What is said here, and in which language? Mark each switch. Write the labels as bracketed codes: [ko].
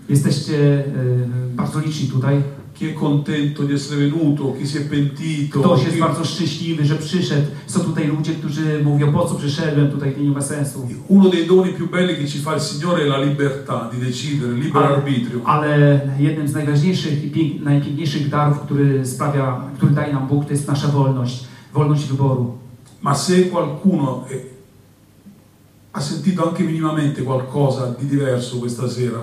[pl] Jesteście bardzo liczni tutaj. [it] Chi è contento di essere venuto, chi si è pentito. [pl] Ktoś jest bardzo szczęśliwy, że przyszedł. Są tutaj ludzie, którzy mówią, po co przyszedłem tutaj, nie ma sensu. [it] Uno dei doni più belli che ci fa il Signore è la libertà di decidere, libero arbitrio. [pl] Ale jednym z najważniejszych i najpiękniejszych darów, który daje nam Bóg, to jest nasza wolność. Wolność wyboru. [it] Ma se qualcuno ha sentito anche minimamente qualcosa di diverso questa sera.